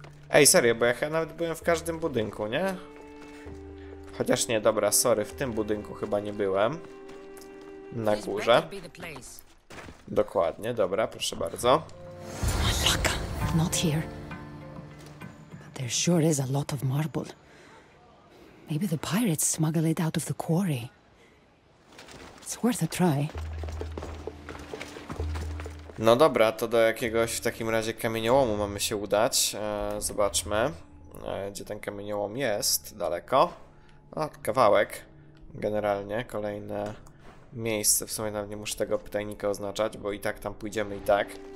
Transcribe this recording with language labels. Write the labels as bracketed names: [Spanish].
[Polish] Ej, serio, bo ja chyba nawet byłem w każdym budynku, nie? Chociaż nie, dobra, sorry, w tym budynku chyba nie byłem. Na górze. Dokładnie, dobra, proszę bardzo. [English] Not here. But there sure is a lot of marble. Maybe the pirates smuggle it out of the quarry. It's worth a try. [Polish] No dobra, to do jakiegoś w takim razie kamieniołomu mamy się udać. Zobaczmy, gdzie ten kamieniołom jest. Daleko. O, kawałek. Generalnie kolejne miejsce. W sumie nawet nie muszę tego pytajnika oznaczać, bo i tak tam pójdziemy i tak.